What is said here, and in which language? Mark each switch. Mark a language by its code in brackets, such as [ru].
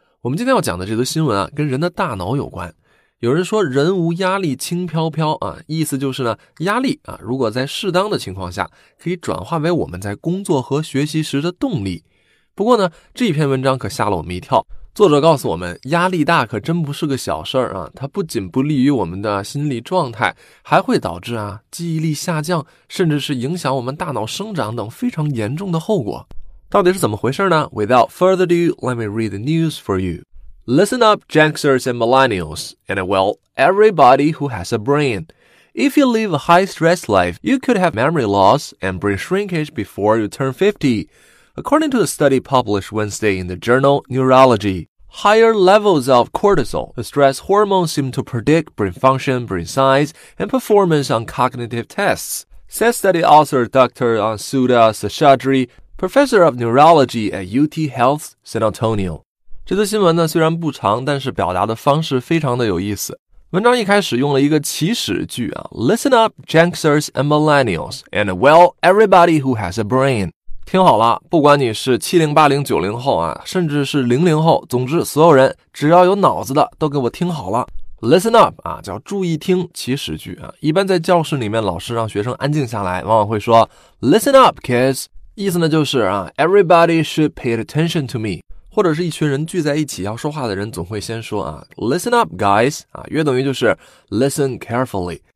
[zh] 我们今天要讲的这则新闻啊，跟人的大脑有关。有人说人无压力轻飘飘啊，意思就是呢，压力啊，如果在适当的情况下，可以转化为我们在工作和学习时的动力。不过呢，这篇文章可吓了我们一跳。作者告诉我们，压力大可真不是个小事儿啊，它不仅不利于我们的心理状态，还会导致啊记忆力下降，甚至是影响我们大脑生长等非常严重的后果。到底是怎么回事呢？ [en] Without further ado, let me read the news for you. Listen up, Genxers and Millennials, and well, everybody who has a brain. If you live a high-stress life, you could have memory loss and brain shrinkage before you turn 50. According to a study published Wednesday in the journal Neurology, higher levels of cortisol, a stress hormone, seem to predict brain function, brain size, and performance on cognitive tests, said study author Dr. Ansuda Seshadri, professor of neurology at UT Health San Antonio. [zh] 这则新闻呢虽然不长，但是表达的方式非常的有意思。文章一开始用了一个起始句啊 [en] ,Listen up, Genxers and Millennials, and well, everybody who has a brain. [zh] 听好了，不管你是70、80、90后啊，甚至是00后，总之所有人只要有脑子的都给我听好了。 Listen up 啊，叫注意听起始句啊。一般在教室里面，老师让学生安静下来，往往会说 [en] Listen up kids， [zh] 意思呢就是啊 [en] Everybody should pay attention to me， [zh] 或者是一群人聚在一起要说话的人总会先说啊 [en] Listen up guys [zh] 啊，约等于就是 [en] Listen carefully。